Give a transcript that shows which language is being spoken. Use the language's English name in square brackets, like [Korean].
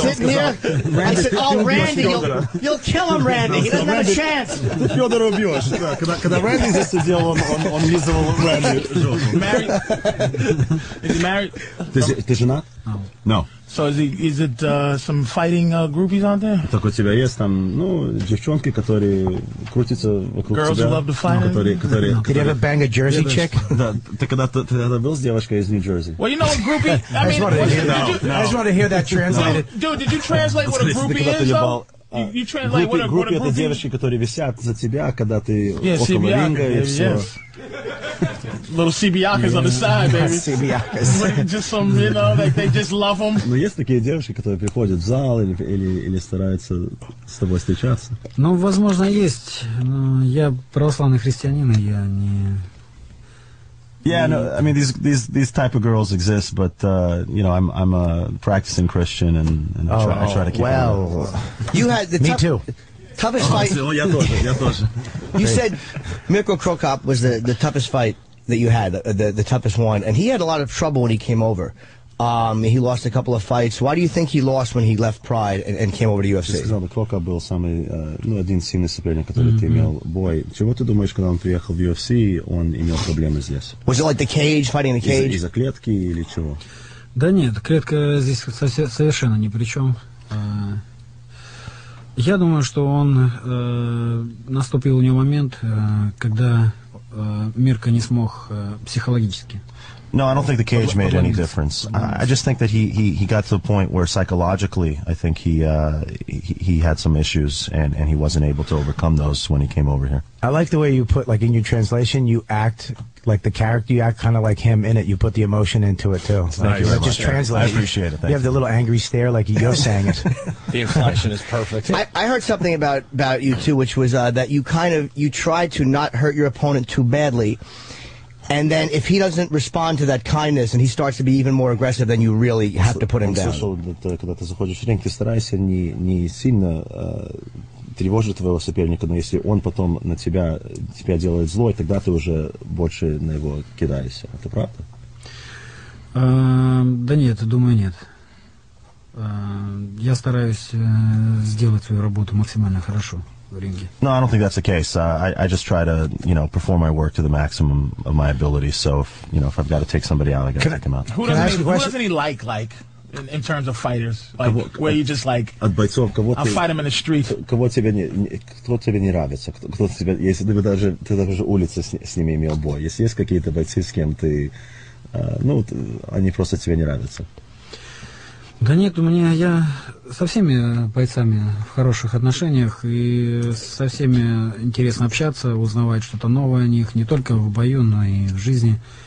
[English] sitting here, I said, oh, Randy, you'll kill him, Randy. He doesn't have a chance. [Russian] Федор убьешь. Когда Randy здесь сидел, он вызывал Randy. [English] Married? Is he married? [Russian] Ты женат? [English] No. No. So is it some fighting groupies out there? [Russian] Так у тебя есть там, ну, девчонки, которые крутятся вокруг тебя. [English] Girls who love to fight? [Russian] Которые... [English] Did you ever bang a Jersey chick? [Russian] Да, ты когда-то был с девочкой из Нью-Джерси? [English] Well, you know, a groupie... I just wanted to hear that translated. Dude, did you translate what a groupie is, though? You train like what a groupie. [Russian] Это девочки, которые висят за тебя, когда ты около ринга и все. [English] Little CBAkas on the side, baby. CBAkas. Just some, you know, like they just love them. [Russian] Но есть такие девушки, которые приходят в зал или стараются с тобой встречаться. Ну, возможно, есть. Но я православный христианин, и я не. [English] Yeah, no. I mean, these type of girls exist, but you know, I'm a practicing Christian, and I try to keep. Well, you had the me too. Toughest fight. You said Mirko Krokop was the toughest fight that you had, the toughest one, and he had a lot of trouble when he came over. He lost a couple of fights. Why do you think he lost when he left Pride and came over to UFC? [Russian] Сказал, что Крокоп был самый, ну, один сильный соперник, который ты имел бой. Чего ты думаешь, когда он приехал в UFC, он имел проблемы здесь? [English] Was it like the cage, fighting in the cage? [Russian] Из-за клетки или чего? Да нет, клетка здесь совершенно ни при чем. Я думаю, что он наступил у него момент, когда Мирко не смог психологически. [English] No, I don't think the cage made any difference. I just think that he got to a point where psychologically, I think he had some issues and he wasn't able to overcome those when he came over here. I like the way you put, like, in your translation, you act like the character, you act kind of like him in it. You put the emotion into it, too. Thank you very much. Just translate. I appreciate it. You have the little angry stare like you're saying it. The inflection is perfect. I heard something about you, too, which was that you tried to not hurt your opponent too badly. And then if he doesn't respond to that kindness and he starts to be even more aggressive, then you really have to put him down. [Russian] Слышал, что когда ты заходишь в ринг, ты стараешься не сильно тревожить твоего соперника, но если он потом на тебя делает зло, тогда ты уже больше на него кидаешься. Это правда? Да нет, думаю, нет. Я стараюсь сделать свою работу максимально хорошо. [English] No, I don't think that's the case. I just try to, you know, perform my work to the maximum of my ability. So, if I've got to take somebody out, I've got to take him out. Who doesn't he like, in terms of fighters? Like, where you just like, I'll fight him in the street. [Russian] Кто тебе не нравится? Кто тебе, если ты даже улицы с ними имел бой, если есть какие-то бойцы, с кем ты, ну, они просто тебе не нравятся? Да нет, у меня я со всеми бойцами в хороших отношениях и со всеми интересно общаться, узнавать что-то новое о них, не только в бою, но и в жизни.